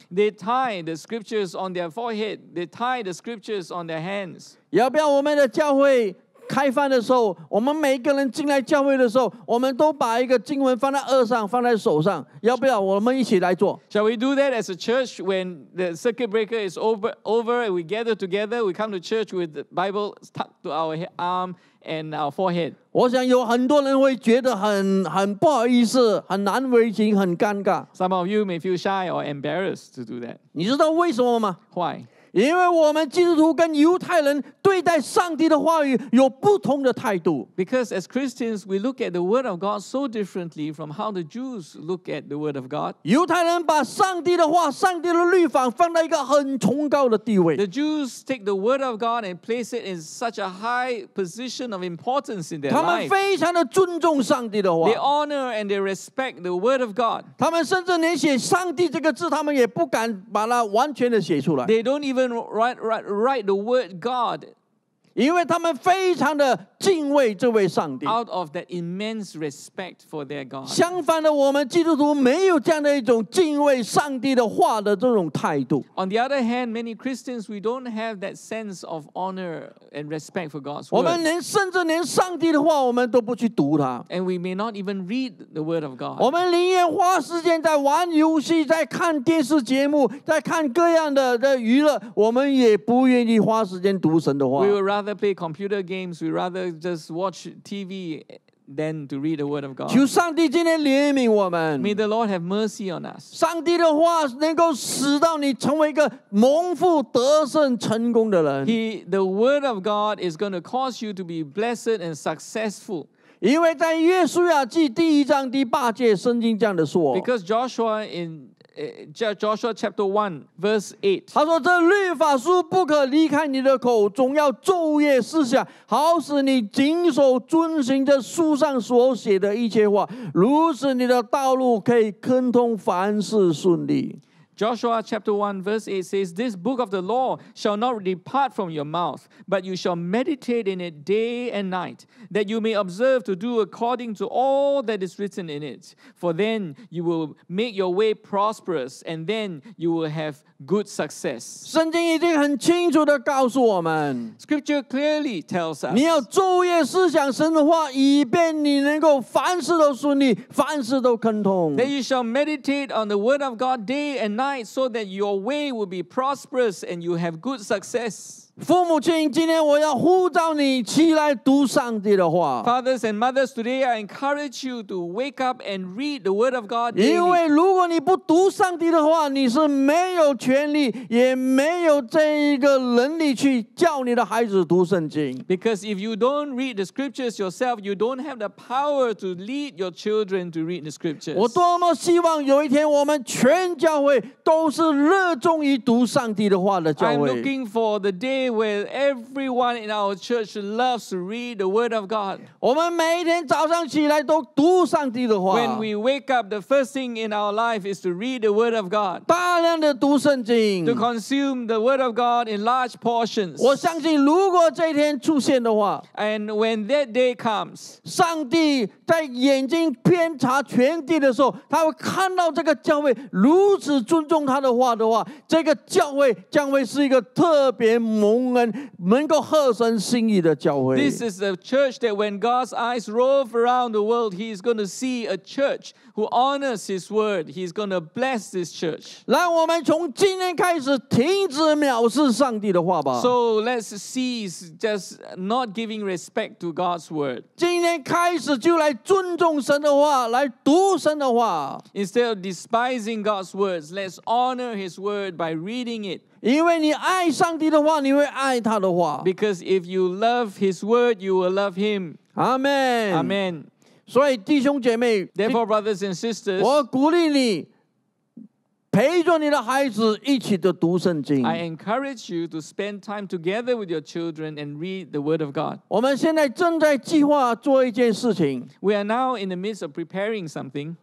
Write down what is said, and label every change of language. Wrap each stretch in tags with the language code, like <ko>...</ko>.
<en>They tie the scriptures on their forehead. They tie the scriptures on their hands.</en> <zh>要不要我们的教会开饭的时候，我们每一个人进来教会的时候，我们都把一个经文放在额上，放在手上？要不要我们一起来做</zh> <en>？Shall we do that as a church when the circuit breaker is over and we gather together? We come to church with the Bible tucked to our arm. And our forehead.</en> <zh>我想有很多人会觉得很不好意思，很难为情，很尴尬。</zh> <en>Some of you may feel shy or embarrassed to do that.</en> <zh>你知道为什么吗</zh> <en>？Why?</en> <zh>因为我们基督徒跟犹太人对待上帝的话语有不同的态度。</zh> <en>Because as Christians, we look at the Word of God so differently from how the Jews look at the Word of God.</en> <zh>犹太人把上帝的话、上帝的律法放在一个很崇高的地位。</zh> <en>The Jews take the Word of God and place it in such a high position of importance in their life.</en> <zh>他们非常的尊重上帝的话。</zh> <en>They honor and they respect the Word of God.</en> <zh>他们甚至连写“上帝”这个字，他们也不敢把它完全的写出来。</zh> <en>They don't even write the word God.</en> <zh>因为他们非常的敬畏这位上帝。</zh> <en>Out of that immense respect for their God.</en> <zh>相反的，我们基督徒没有这样的一种敬畏上帝的话的这种态度。</zh> <en>On the other hand, many Christians, we don't have that sense of honor and respect for God's word.</en> <zh>我们连甚至连上帝的话我们都不去读它。</zh> <en>And we may not even read the word of God.</en> <zh>我们宁愿花时间在玩游戏，在看电视节目，在看各样的娱乐，我们也不愿意花时间读神的话。</zh> <en>We would rather rather play computer games, we rather just watch TV than to read the word of God.</en> <zh>求上帝今天怜悯我们。</zh> <en>May the Lord have mercy on us.</en> <zh>上帝的话能够使到你成为一个蒙福得胜成功的人。</zh> <en>The word of God is going to cause you to be blessed and successful.</en> <zh>因为在约书亚记第一章第八节，圣经这样的说。</zh> <en>Because Joshua in Joshua chapter 1 verse 8，</en> <zh>他说：“这律法书不可离开你的口，总要昼夜思想，好使你谨守遵行这书上所写的一切话，如此你的道路可以亨通，凡事顺利。”</zh> <en>Joshua chapter 1 verse 8 says, "This book of the law shall not depart from your mouth, but you shall meditate in it day and night, that you may observe to do according to all that is written in it. For then you will make your way prosperous, and then you will have good success."</en> <zh>圣经已经很清楚地告诉我们，</zh> <en>Scripture clearly tells us,</en> <zh>你要昼夜思想神的话，以便你能够凡事都顺利，凡事都亨通。</zh> <en>That you shall meditate on the word of God day and night, so that your way will be prosperous and you have good success.</en> <zh>父母亲，今天我要呼召你起来读上帝的话。</zh> <en>Fathers and mothers, today I encourage you to wake up and read the word of God.</en> <zh>因为如果你不读上帝的话，你是没有权利，也没有这一个能力去教你的孩子读圣经。</zh> <en>Because if you don't read the scriptures yourself, you don't have the power to lead your children to read the scriptures.</en> <zh>我多么希望有一天我们全教会都是热衷于读上帝的话的教会。</zh> <en>I'm looking for the dayWhere everyone in our church loves to read the word of God.</en> <zh>我们每天早上起来都读上帝的话。</zh> <en>When we wake up, the first thing in our life is to read the word of God.</en> <zh>大量的读圣经。</zh> <en>To consume the word of God in large portions.</en> <zh>我相信如果这一天出现的话。</zh> <en>And when that day comes,</en> <zh>上帝在眼睛遍察全地的时候，他会看到这个教会如此尊重他的话的话，这个教会将会是一个特别蒙恩能够合神心意的教会。</zh> <en>This is a church that when God's eyes rove around the world, He is going to see a church who honors His word. He is going to bless this church.</en> <zh>让我们从今天开始停止藐视上帝的话吧。</zh> <en>So let's cease just not giving respect to God's word.</en> <zh>今天开始就来尊重神的话，来读神的话。</zh> <en>Instead of despising God's words, let's honor His word by reading it.</en> <zh>因为你爱上帝的话，你会爱他的话。</zh> <en>Because if you love His word, you will love Him. Amen. Amen.</en> <zh>所以弟兄姐妹，</zh> <en>Therefore, brothers and sisters,</en> <zh>我鼓励你陪着你的孩子一起的读圣经。</zh> <en>I encourage you to spend time together with your children and read the word of God.</en> <zh>我们现在正在计划做一件事情。</zh> <en>We are now in the midst of preparing something.</en>